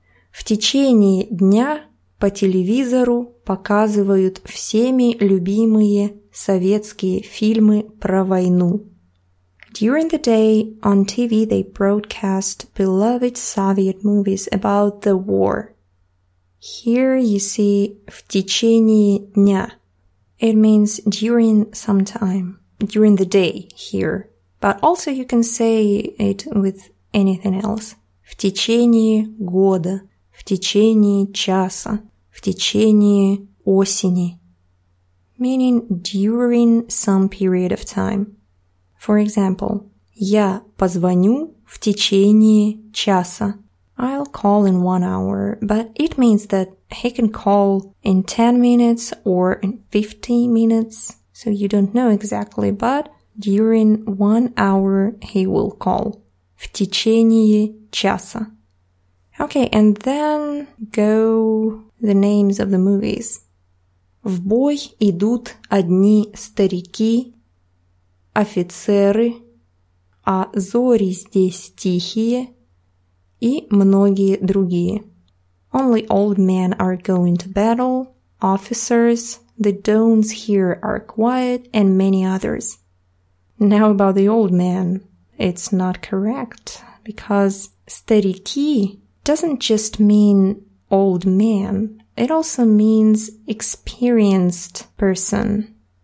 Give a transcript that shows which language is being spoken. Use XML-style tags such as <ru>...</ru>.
<ru>В течение дня по телевизору показывают всеми любимые советские фильмы про войну.</ru> <en>During the day, on TV they broadcast beloved Soviet movies about the war. Here you see</en> <ru>в течение дня.</ru> <en>It means during some time, during the day here. But also you can say it with anything else.</en> <ru>В течение года, в течение часа, в течение осени,</ru> <en>meaning during some period of time. For example,</en> <ru>я позвоню в течение часа.</ru> <en>I'll call in 1 hour, but it means that he can call in 10 minutes or in 50 minutes, so you don't know exactly, but during 1 hour he will call.</en> <ru>В течение часа.</ru> <en>Okay, and then go the names of the movies.</en> <ru>В бой идут одни старики, офицеры, а зори здесь тихие, и многие другие.</ru> <en>Only old men are going to battle, officers, the dawns here are quiet, and many others. Now about the old man. It's not correct, because старики doesn't just mean old man, it also means experienced person.</en>